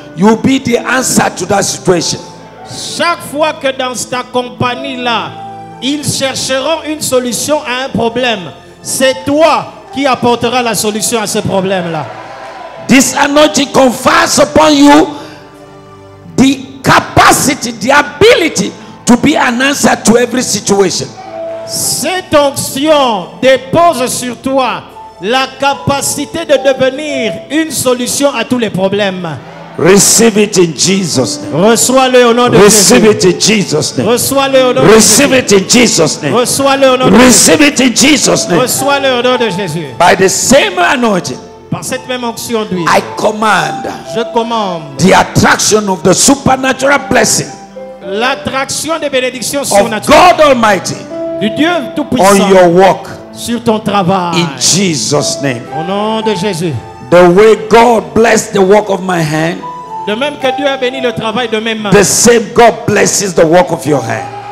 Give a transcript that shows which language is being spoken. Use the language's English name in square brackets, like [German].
[English] You will be the answer to that situation. [French] Chaque fois que dans ta compagnie là, ils chercheront une solution à un problème. C'est toi qui apporteras la solution à ce problème là. [English] This anointing confers upon you the capacity, the ability to be an answer to every situation. [French] Cette onction dépose sur toi. La capacité de devenir une solution à tous les problèmes. [English] Receive it in Jesus name. [French] Reçois-le au nom de [English] Receive [French] Jésus. [English] Receive it in Jesus name. [French] Reçois-le au nom [English] Receive [French] de [English] it in Jesus name. [French] Reçois-le au nom [English] Receive [French] de Jésus. [English] Receive it in Jesus name. [French] Reçois-le au nom de Jésus. [English] By the same anointing. [French] Par cette même onction d'huile. [English] I command. [French] Je commande. [English] The attraction of the supernatural blessing. [French] L'attraction des bénédictions surnaturelles. [English] Of God Almighty. [French] Du Dieu Tout-Puissant. [English] On your work. [French] Sur ton travail. [English] In Jesus' name. [French] Au nom de Jésus. [English] The way God blessed the work of my hand. [French] De même que Dieu a béni le travail de mes mains. [English] The same God blesses the work of your hand.